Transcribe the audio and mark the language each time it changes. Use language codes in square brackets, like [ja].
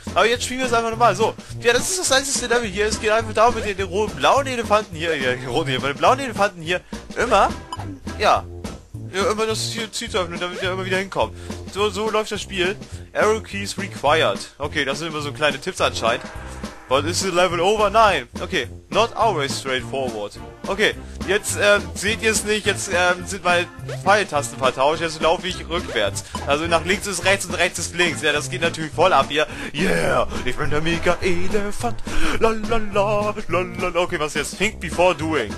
[de] Aber jetzt spielen wir es einfach nochmal. So. Ja, das ist das einzige Level hier. Es geht einfach darum, mit den roten blauen Elefanten hier. Ja, roten hier, mit den blauen Elefanten hier. Immer. Ja. Ja, immer das Ziel zu öffnen, damit wir immer wieder hinkommen. So läuft das Spiel. [en] Arrow Keys required. [de] Okay, das sind immer so kleine Tipps anscheinend. [en] But is the level over? [de] Nein. [en] Okay, not always straightforward. [de] Okay, jetzt seht ihr es nicht. Jetzt sind meine Pfeiltasten vertauscht. Jetzt laufe ich rückwärts. Also nach links ist rechts und rechts ist links. Ja, das geht natürlich voll ab hier. Yeah, ich bin der Mega-Elefant. Lalala. Okay, was jetzt? [en] Think before doing.